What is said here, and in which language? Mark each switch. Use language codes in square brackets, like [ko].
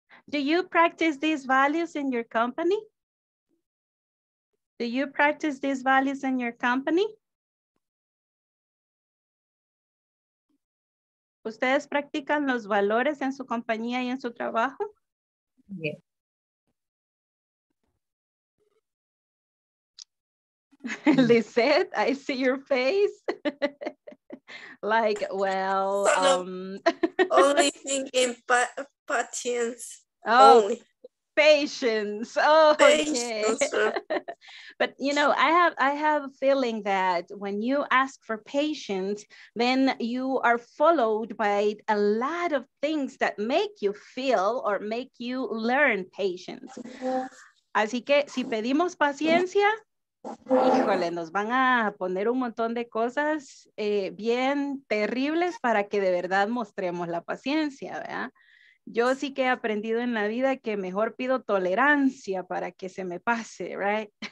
[en] Do you practice these values in your company? Do you practice these values in your company? [es] ¿Ustedes practican los valores en su compañía y en su trabajo? [en] Yeah. Lisette, I see your face. Like, well. Only thinking patience. Oh, only. Patience. Oh, patience, okay. But, you know, I have a feeling that when you ask for patience, then you are followed by a lot of things that make you feel or make you learn patience. [es] Así que si pedimos paciencia, híjole, nos van a poner un montón de cosas bien terribles para que de verdad mostremos la paciencia, ¿verdad? Yo sí que he aprendido en la vida que mejor pido tolerancia para que se me pase, right?